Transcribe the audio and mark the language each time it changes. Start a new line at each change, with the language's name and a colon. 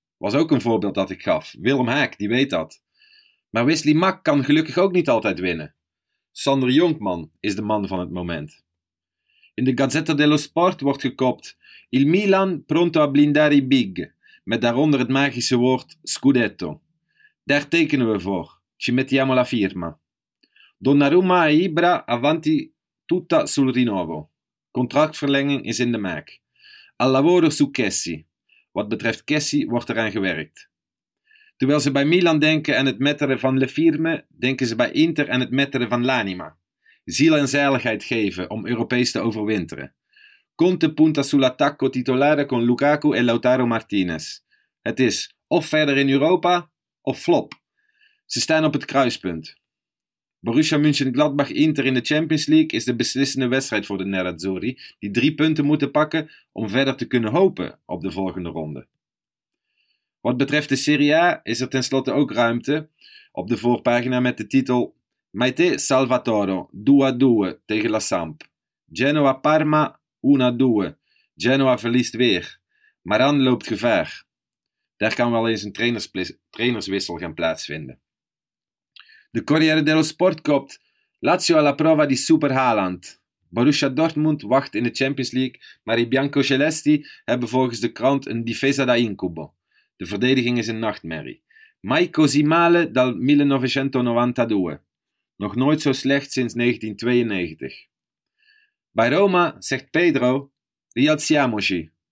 Dutch: Was ook een voorbeeld dat ik gaf. Willem Haak, die weet dat. Maar Wesley Mack kan gelukkig ook niet altijd winnen. Sander Jonkman is de man van het moment. In de Gazzetta dello Sport wordt gekopt
Italian: Il Milan pronto a blindare i big.
Dutch: Met daaronder het magische woord Scudetto. Daar tekenen we voor.
Italian: Ci mettiamo la firma. Donnarumma e Ibra avanti tutta sul rinnovo.
Dutch: Contractverlenging is in de maak.
Italian: Al lavoro su Kessi.
Dutch: Wat betreft Kessi wordt eraan gewerkt. Terwijl ze bij Milan denken aan het metteren van le firme, denken ze bij Inter aan het metteren van l'anima. Ziel en zaligheid geven om Europees te overwinteren.
Italian: Conte punta sull'attacco titolare con Lukaku e Lautaro Martinez.
Dutch: Het is of verder in Europa of flop. Ze staan op het kruispunt. Borussia Mönchengladbach-Inter in de Champions League is de beslissende wedstrijd voor de Nerazzurri, die 3 punten moeten pakken om verder te kunnen hopen op de volgende ronde. Wat betreft de Serie A is er tenslotte ook ruimte op de voorpagina met de titel Maite Salvatore 2-2 tegen La Samp. Genoa Parma 1-2. Genoa verliest weer. Maran loopt gevaar. Daar kan wel eens een trainerswissel gaan plaatsvinden. De Corriere dello Sport koopt Lazio
Italian: alla prova di Super Haaland.
Dutch: Borussia Dortmund wacht in de Champions League, maar i biancocelesti hebben volgens de krant een
Italian: difesa da incubo.
Dutch: De verdediging is een nachtmerrie.
Italian: Mai così male dal 1992.
Dutch: Nog nooit zo slecht sinds 1992. Bij Roma zegt Pedro,
Italian: rialziamoci.